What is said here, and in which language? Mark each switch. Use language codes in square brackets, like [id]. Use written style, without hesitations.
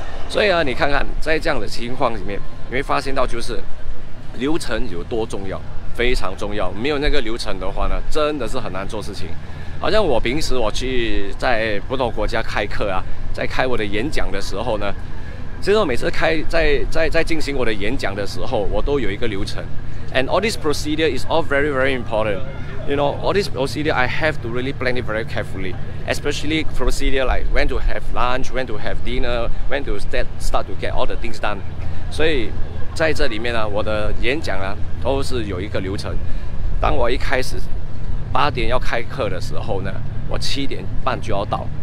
[zh] 所以啊，你看看在这样的情况里面，你会发现到就是流程有多重要，非常重要。没有那个流程的话呢，真的是很难做事情。好像我平时我去在不同国家开课啊，在开我的演讲的时候呢，其实我每次开在进行我的演讲的时候，我都有一个流程。 [en] And all this procedure is all very very important. You know, all this procedure I have to really plan it very carefully. Especially procedure like when to have lunch, when to have dinner, when to start to get all the things done. [zh] 所以在这里面呢，我的演讲啊都是有一个流程。当我一开始八点要开课的时候呢，我七点半就要到。